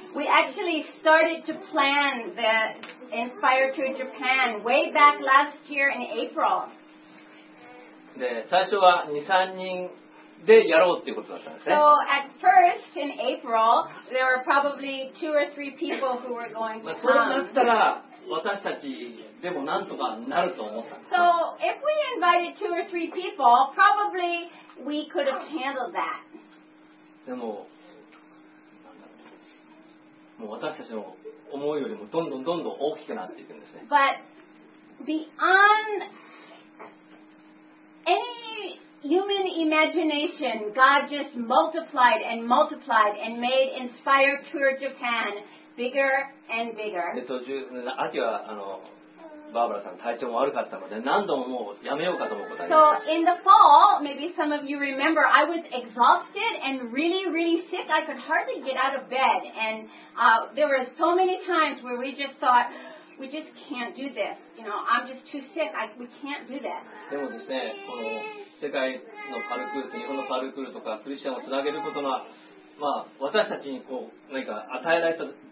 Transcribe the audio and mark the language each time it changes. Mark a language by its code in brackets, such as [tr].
[en] We actually started to plan the Inspire Tour Japan way back last year in April. [ja] で、最初は 2,3 人でやろうっていうことだったんですね。 [en] So at first in April, there were probably 2 or 3 people who were going to come. [ja] まあ、そうなったら私たちでもなんとかなると思った。 [en] So if we invited 2 or 3 people, probably we could have handled that. [ja] でも。もう私たちの思うよりもどんどんどんどん大きくなっていくんですね。 [en] But beyond any human imagination, God just multiplied and multiplied and made Inspire Tour Japan bigger and bigger. [ja] 途中、秋はバーバラさん体調も悪かったので何度ももうやめようかと思った。 [en] So in the fall, maybe some of you remember, I was exhausted and really, really sick. I could hardly get out of bed. And there were so many times where we just thought, we just can't do this. You know, I'm just too sick. We can't do this. [ja] でもですね、この世界のパルクール、日本のパルクールとかクリスチャンをつなげることが、まあ私たちにこう何か与えられた。